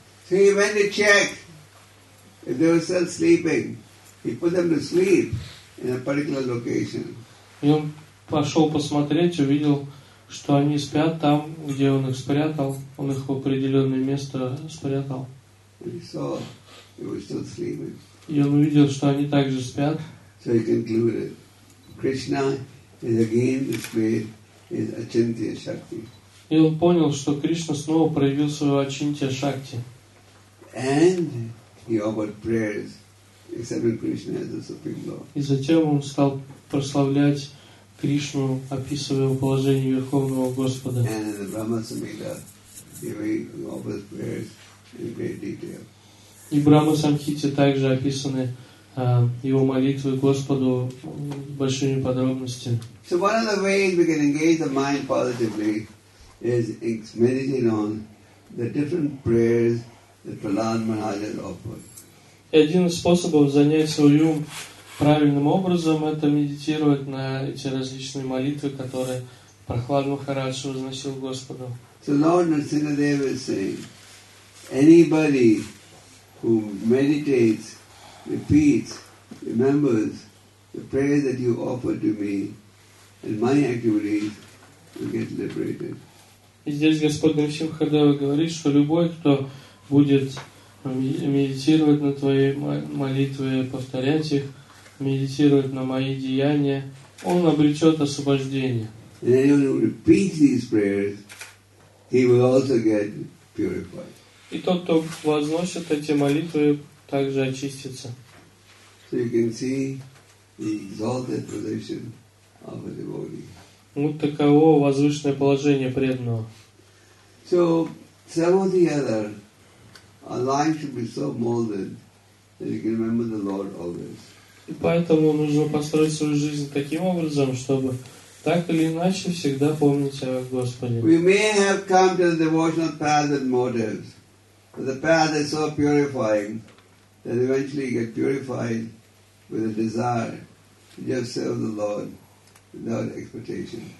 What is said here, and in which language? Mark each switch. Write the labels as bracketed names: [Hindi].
[English] So he went to check if they were still sleeping. He put them to sleep in a particular location. [Russian] И он пошел посмотреть, увидел, что они спят там, где он их спрятал. Он их в определенное место спрятал. [English] He saw they were still sleeping. [Russian] И он увидел, что они также спят. [English] So he concluded, Krishna is again displayed his Achintya Shakti. [Russian] И он понял, что Кришна снова проявил свою Ачинтья Шакти. [English] And he offered prayers, accepting Krishna as the Supreme Lord. [Russian] И затем он стал прославлять Кришну, описывая положение Верховного Господа. [English] And in the Brahma Samhita, he offers prayers in great detail. [Russian] И Брахма Самхите также описаны его молитвы Господу большими подробностями. [English] So one of the ways we can engage the mind positively is meditating on the different prayers that Prahlad Maharaj has offered. [Russian] И один из способов занять свой ум правильным образом – это медитировать на эти различные молитвы, которые Прахлад Махарадж возносил Господу. [English] So Lord Narsingadeva is saying, anybody who meditates, repeats, remembers the prayer that you offered to me and my activities will get liberated. [Russian] И здесь Господь Нарсимхадева говорит, что любой, кто будет медитировать на твои молитвы, повторять их, медитировать на мои деяния, он обретет освобождение. [English] And anyone who repeats these prayers, he will also get purified. [Russian] И тот, кто возносит эти молитвы, также очистится. [English] So you can see the exalted position of a devotee. [Russian] Вот таково возвышенное положение преданного. [English] So some or the other, our life should be so molded that you can remember the Lord always. [Russian] И поэтому нужно построить свою жизнь таким образом, чтобы так или иначе всегда помнить о Господе. [English] We may have come to the devotional path and motives. But the path is so purifying that eventually you get purified with a desire to just serve the Lord without expectation.